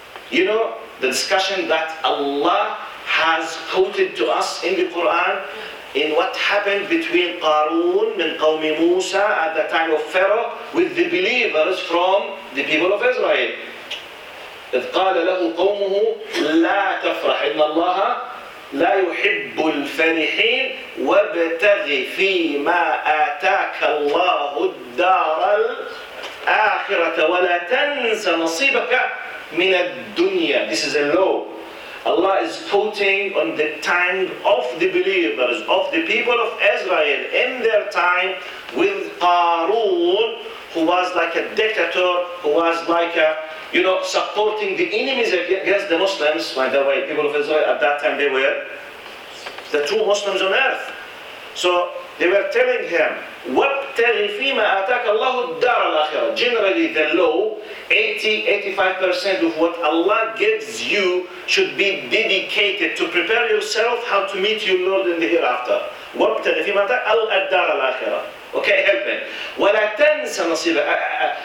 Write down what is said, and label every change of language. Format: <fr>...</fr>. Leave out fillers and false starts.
<en>You know, the discussion that Allah has quoted to us in the Quran in what happened between Qarun</en> <ar>من قوم موسى</ar> <en>at the time of Pharaoh with the believers from the people of Israel.</en> <ar>إذ قال له قومه لا تفرح إن الله لا يحب الفرحين وابتغ فيما آتاك الله الدار الآخرة ولا تنس نصيبك من الدنيا.</ar> <en>This is a law. Allah is quoting on the tongue of the believers, of the people of Israel in their time with Qarun, who was like a dictator, who was like a, you know, supporting the enemies against the Muslims. By the way, people of Israel at that time, they were the true Muslims on earth. So they were telling him,</en> <ar>وَابْتَغِ فِيمَا أَتَاكَ اللَّهُ الدَّارَ الْآخِرَةِ.</ar> <en>Generally, the law, 80-85% of what Allah gives you should be dedicated to prepare yourself how to meet your Lord in the hereafter.</en> <ar>وَابْتَغِ فِيمَا أَتَاكَ اللَّهُ الدَّارَ الْآخِرَةِ.</ar> <en>Okay, help me.</en> <ar>وَلَا تَنْسَ نَصِيبَكَ.</ar>